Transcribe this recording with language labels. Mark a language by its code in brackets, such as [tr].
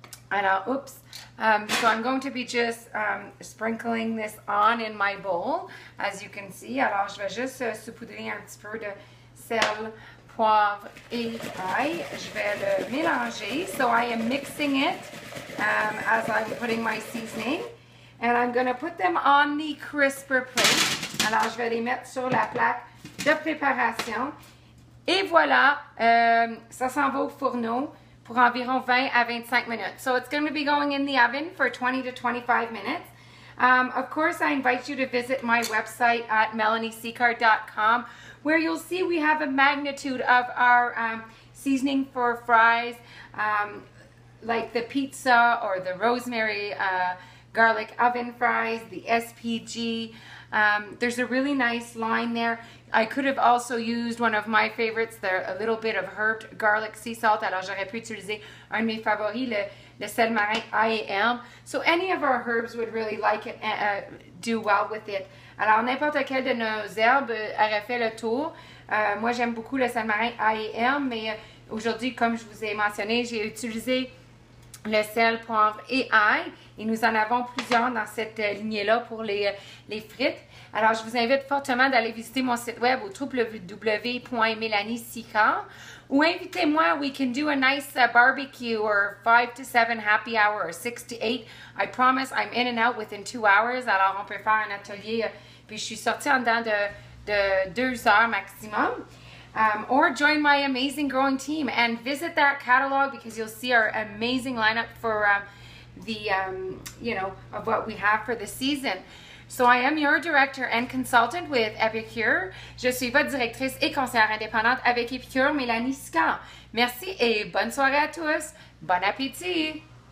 [en] So I'm going to be just sprinkling this on in my bowl, as you can see. [fr] Alors, je vais juste saupoudrer un petit peu de sel, poivre et ail. Je vais le mélanger. [en] So I am mixing it as I'm putting my seasoning. And I'm going to put them on the crisper plate. [fr] Alors, je vais les mettre sur la plaque de préparation. Et voilà, ça s'en va au fourneau. Pour environ 20 à 25 minutes. [en] So it's going to be going in the oven for 20 to 25 minutes. Of course, I invite you to visit my website at melaniesicard.com, where you'll see we have a magnitude of our seasoning for fries, like the pizza or the rosemary garlic oven fries, the SPG. There's a really nice line there. I could have also used one of my favorites, a little bit of herbed garlic sea salt. [fr] Alors j'aurais pu utiliser un de mes favoris, le sel marin IAM. [en] So any of our herbs would really like it, do well with it. [fr] Alors n'importe quelle de nos herbes aurait fait le tour. Moi j'aime beaucoup le sel marin IAM, mais aujourd'hui, comme je vous ai mentionné, j'ai utilisé le sel, poivre et ail. Et nous en avons plusieurs dans cette lignée-là pour les frites. Alors, je vous invite fortement d'aller visiter mon site web au www.melaniesicard. Ou invitez-moi, [en] we can do a nice barbecue or 5 to 7 happy hour or 6 to 8. I promise I'm in and out within 2 hours. [fr] Alors, on peut faire un atelier. Puis, je suis sortie en dedans de 2 heures maximum. [en] Or join my amazing growing team and visit that catalog because you'll see our amazing lineup for of what we have for the season. So I am your director and consultant with Epicure. [fr] Je suis votre directrice et conseillère indépendante avec Epicure, Mélanie Sicard. Merci et bonne soirée à tous. Bon appétit!